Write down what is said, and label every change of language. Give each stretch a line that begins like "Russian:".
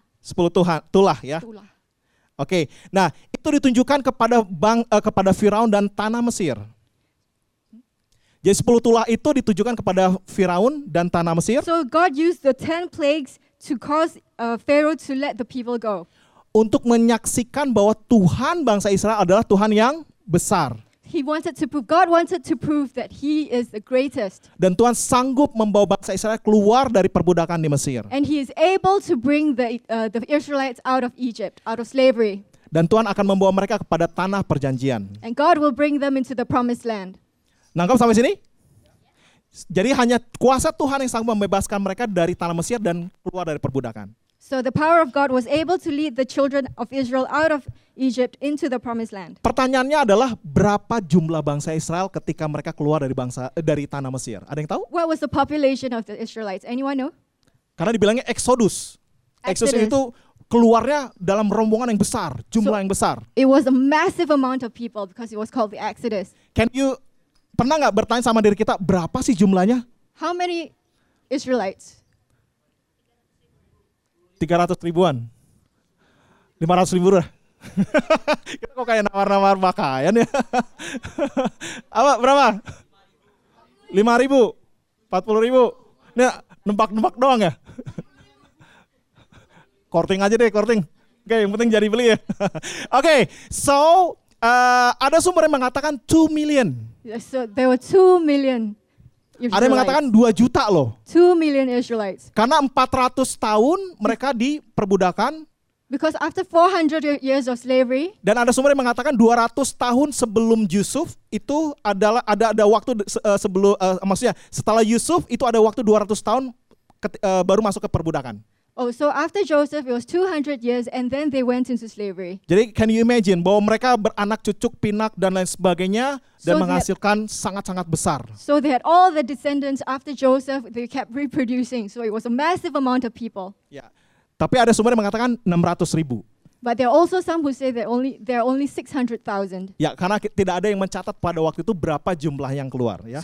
Indonesian: 10 Tuhan, tulah ya. Tulah. Oke, nah itu ditunjukkan kepada Firaun dan tanah Mesir. Jadi 10 tulah itu ditujukan kepada Firaun dan tanah Mesir.
English: So God used the 10 plagues to cause Pharaoh to let the people go.
Indonesian: Untuk menyaksikan bahwa Tuhan bangsa Israel adalah Tuhan yang besar.
English: God wanted to prove that he is the greatest.
Indonesian: Dan Tuhan sanggup membawa bangsa Israel keluar dari perbudakan di Mesir.
English: And he is able to bring the Israelites out of Egypt, out of slavery.
Indonesian: Dan Tuhan akan membawa mereka kepada tanah perjanjian.
English: And God will bring them into the promised land.
Indonesian: Nangkap sampai sini? Jadi hanya kuasa Tuhan yang sanggup membebaskan mereka dari tanah Mesir dan keluar dari perbudakan.
English: So the power of God was able to lead the children of Israel out of Egypt into the promised land.
Indonesian: Pertanyaannya adalah berapa jumlah bangsa Israel ketika mereka keluar dari tanah Mesir? Ada yang tahu?
English: What was the population of the Israelites? Anyone know?
Indonesian: Karena dibilangnya Exodus. Exodus itu keluarnya dalam rombongan yang besar, jumlah yang besar.
English: It was a massive amount of people because it was called the Exodus. Can you
Indonesian: pernah enggak bertanya sama diri kita berapa sih jumlahnya?
English: How many Israelites?
Indonesian: 300 ribuan. 500 ribu lah. Kita kok kayak nawar-nawar pakaian ya. Apa, berapa? 5 ribu. 40 ribu. Ini nembak-nembak doang ya. Korting aja deh, korting. Oke, yang penting jadi beli ya. Oke, so ada sumber yang mengatakan
English: 2 million. So there were 2 million.
Indonesian: Ada yang mengatakan 2 juta loh.
English: 2 million Israelites.
Indonesian: Karena 400 tahun mereka diperbudakan.
English: Because after 400 years of slavery.
Indonesian: Dan ada sumber yang mengatakan 200 tahun sebelum Yusuf itu adalah ada waktu sebelum maksudnya setelah Yusuf itu ada waktu 200 tahun baru masuk ke perbudakan.
English: Oh, so after Joseph it was 200 years and then they went into slavery.
Indonesian: Jadi
English: can you imagine
Indonesian: bahwa mereka beranak cucuk pinak dan lain sebagainya dan menghasilkan sangat-sangat besar.
English: So they had all the descendants after Joseph, they kept reproducing. So it was a massive amount of people.
Indonesian: Ya. Tapi ada sumber yang mengatakan 600,000.
English: But there are also some who say that only there are only 600,000.
Indonesian: Ya, karena tidak ada yang mencatat pada waktu itu berapa jumlah yang keluar, ya.